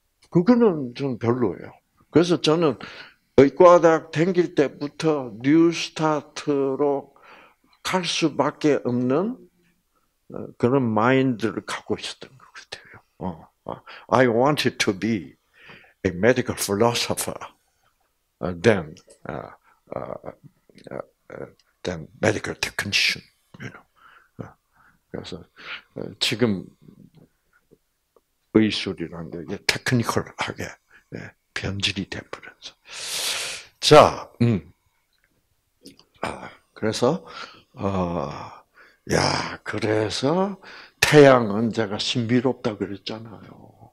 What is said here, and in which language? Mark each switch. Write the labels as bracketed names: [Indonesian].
[Korean] 그거는 좀 별로예요. 그래서 저는 의과대학 다닐 때부터 뉴스타트로 갈 수밖에 없는 그런 마인드를 갖고 있었던 것 같아요. [English] I wanted to be a medical philosopher than medical technician. You know. [Korean] 그래서 지금 의술이란 게 이제 테크니컬하게 변질이 돼버려서 자, 그래서 야 그래서 태양은 제가 신비롭다 그랬잖아요.